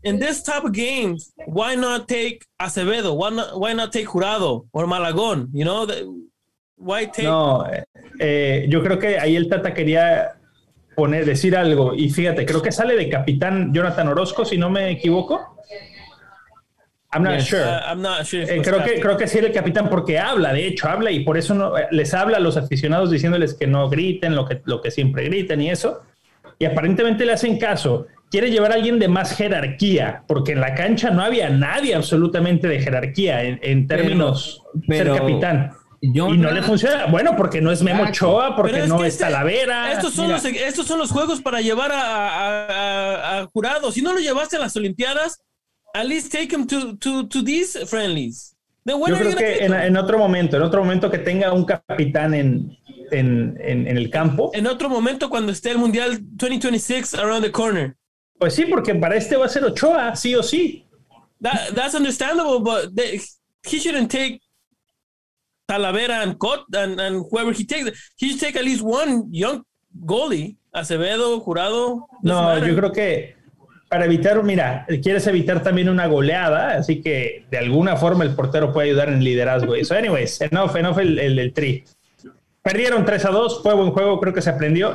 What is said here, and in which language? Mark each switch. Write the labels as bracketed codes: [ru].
[en] In this type of games, why not take Acevedo? Why not take Jurado or Malagón? You know, why take... [es] No, yo creo que ahí el Tata quería decir algo. Y fíjate, creo que sale de capitán Jonathan Orozco, si no me equivoco. [en] I'm not sure. [es] Creo que sí era el capitán porque habla, de hecho, habla y por eso no les habla a los aficionados diciéndoles que no griten lo que siempre griten y eso. Y aparentemente le hacen caso. Quiere llevar a alguien de más jerarquía porque en la cancha no había nadie absolutamente de jerarquía en términos de ser capitán. Le funciona. Bueno, porque no es Memo Ochoa, porque es no es Talavera. Estos son los juegos para llevar a Jurado. Si no lo llevaste a las Olimpiadas, [en] at least take him to these friendlies. Then when [es] yo are creo you que en otro momento que tenga un capitán en el campo. En otro momento cuando esté el Mundial 2026 [en] around the corner. [es] Pues sí, porque para este va a ser Ochoa, sí o sí. [en] That's understandable, but he shouldn't take Talavera and whoever he takes. He should take at least one young goalie, Acevedo, Jurado. [es] No, yo creo que... Para evitar, mira, quieres evitar también una goleada, así que de alguna forma el portero puede ayudar en liderazgo. [en] So anyways, enough [es] el tri. Perdieron 3-2, fue buen juego, creo que se aprendió.